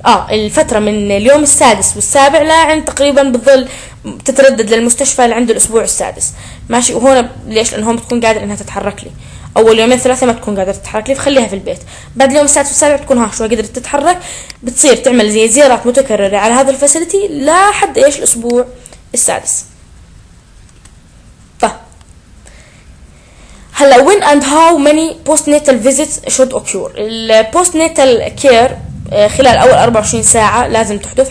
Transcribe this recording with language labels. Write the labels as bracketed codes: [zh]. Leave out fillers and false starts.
[ar] الفتره من اليوم السادس والسابع لعند تقريبا بتظل تتردد للمستشفى لعند الاسبوع السادس, ماشي. وهون ليش؟ لان هون بتكون قادره انها تتحرك لي. اول يومين ثلاثه ما تكون قادره تتحرك لي فخليها في البيت. بعد اليوم السادس والسابع بتكون ها شوي قدرت تتحرك, بتصير تعمل زي زيارات متكرره على هذا الفاسيلتي لحد ايش؟ الاسبوع السادس. هلا [en] when and how many postnatal visits should occur. [ar] البوستنيتال كير خلال اول 24 ساعه لازم تحدث.